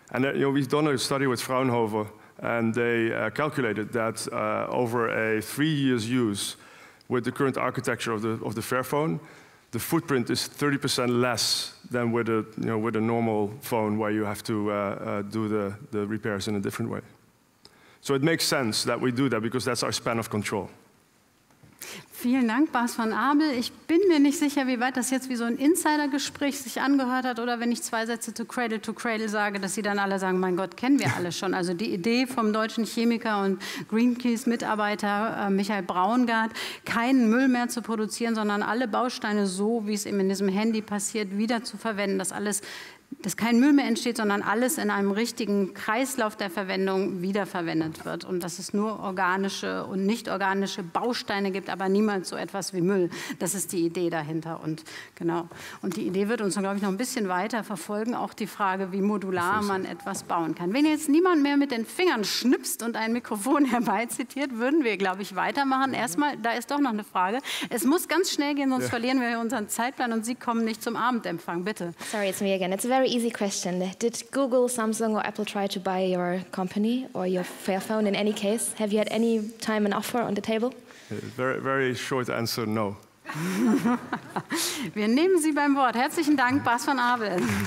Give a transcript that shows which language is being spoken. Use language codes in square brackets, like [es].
[en] And you know, we've done a study with Fraunhofer, and they calculated that over a 3 years use with the current architecture of the Fairphone, the footprint is 30% less than with a normal phone where you have to do the repairs in a different way. So it makes sense that we do that because that's our span of control. [de] Vielen Dank, Bas van Abel. Ich bin mir nicht sicher, wie weit das jetzt wie so ein Insider-Gespräch sich angehört hat oder wenn ich zwei Sätze to Cradle sage, dass Sie dann alle sagen, mein Gott, kennen wir alle schon. Also die Idee vom deutschen Chemiker und Greenpeace-Mitarbeiter Michael Braungart, keinen Müll mehr zu produzieren, sondern alle Bausteine, so wie es eben in diesem Handy passiert, wieder zu verwenden, dass alles, dass kein Müll mehr entsteht, sondern alles in einem richtigen Kreislauf der Verwendung wiederverwendet wird und dass es nur organische und nicht organische Bausteine gibt, aber niemals so etwas wie Müll. Das ist die Idee dahinter und genau. Und die Idee wird uns dann, glaube ich, noch ein bisschen weiter verfolgen, auch die Frage, wie modular man etwas bauen kann. Wenn jetzt niemand mehr mit den Fingern schnipst und ein Mikrofon herbeizitiert, würden wir, glaube ich, weitermachen. Erstmal, da ist doch noch eine Frage. Es muss ganz schnell gehen, sonst verlieren wir unseren Zeitplan und Sie kommen nicht zum Abendempfang. Bitte. [en] Sorry, it's me again. It's a very easy question. Did Google, Samsung or Apple try to buy your company or your Fairphone in any case? Have you had any time and offer on the table? Very, very short answer, no. [de] Wir nehmen Sie beim Wort. Herzlichen Dank, Bas van Abel.